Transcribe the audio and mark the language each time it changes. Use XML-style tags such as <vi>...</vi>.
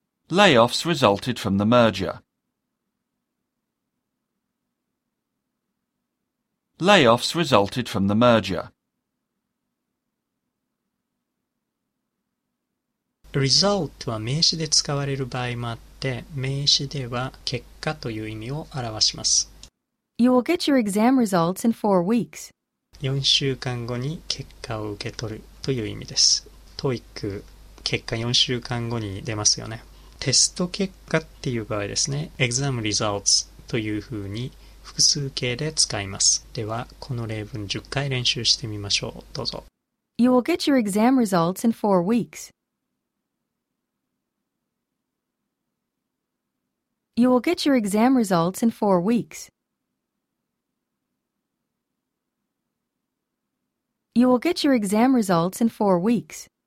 <en>Layoffs resulted from the merger. Layoffs resulted from the merger.</en> <ja>Result は名詞で使われる場合もあって、名詞では結果という意味を表します。</ja> <en>You will get your exam results in 4 weeks.</en> <ja>4週間後に結果を受け取るという意味です。 TOEIC 結果4週間後に出ますよね。テスト結果っていう場合ですね。</ja> <en>Exam results</en> <ja>というふうに複数形で使います。ではこの例文10回練習してみましょう。どうぞ。</ja> <en>You will get your exam results in 4 weeks. You will get your exam results in 4 weeks. You will get your exam results in 4 weeks.</en>